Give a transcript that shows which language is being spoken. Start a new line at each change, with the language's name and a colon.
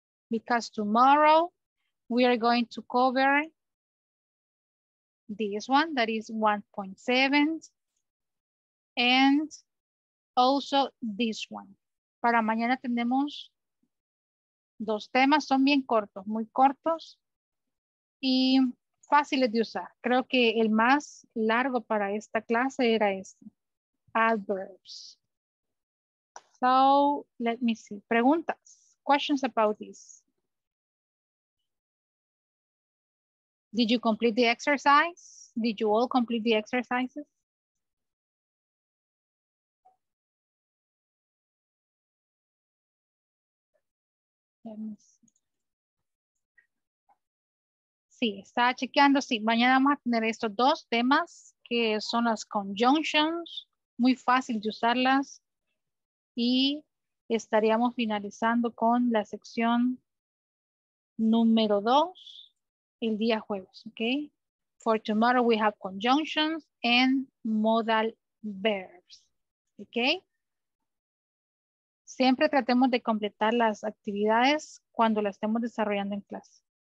English: Because tomorrow we are going to cover this one, that is 1.7, and also this one.
Spanish: Para mañana tenemos dos temas, son bien cortos, muy cortos y fáciles de usar. Creo que el más largo para esta clase era este, adverbs.
English: So, let me see,
Spanish: preguntas,
English: questions about this. Did you complete the exercise? Did you all complete the exercises?
Spanish: Sí, estaba chequeando. Sí, mañana vamos a tener estos dos temas que son las conjunctions. Muy fácil de usarlas. Y estaríamos finalizando con la sección número 2. El día jueves, okay?
English: For tomorrow we have conjunctions and modal verbs, okay?
Spanish: Siempre tratemos de completar las actividades cuando las estemos desarrollando en clase.